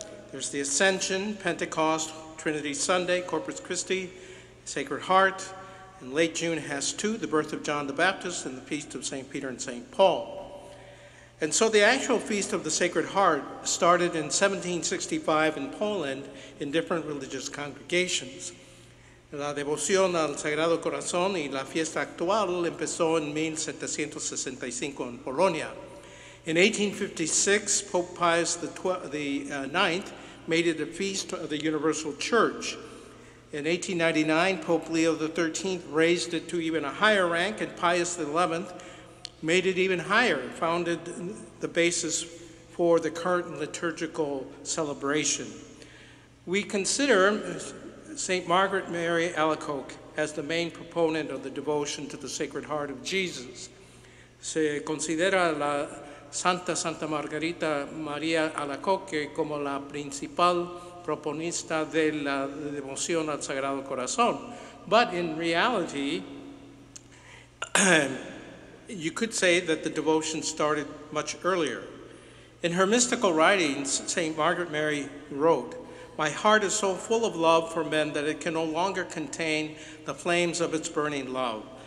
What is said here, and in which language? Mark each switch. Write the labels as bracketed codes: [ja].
[en] There's the Ascension, Pentecost, Trinity Sunday, Corpus Christi, Sacred Heart. And late June has 2, the birth of John the Baptist and the feast of St. Peter and St. Paul. And so the actual feast of the Sacred Heart started in 1765 in Poland in different religious congregations. [es] La devoción al Sagrado Corazón y la fiesta actual empezó en 1765 en Polonia. [en] In 1856, Pope Pius IX made it a feast of the Universal Church. In 1899, Pope Leo XIII raised it to even a higher rank, and Pius XI made it even higher, founded the basis for the current liturgical celebration. We consider St. Margaret Mary Alacoque as the main proponent of the devotion to the Sacred Heart of Jesus. [es] Se considera la Santa Margarita María Alacoque como la principal proponista de la devoción al Sagrado Corazón. [en] But in reality, you could say that the devotion started much earlier. In her mystical writings, St. Margaret Mary wrote, "My heart is so full of love for men that it can no longer contain the flames of its burning love.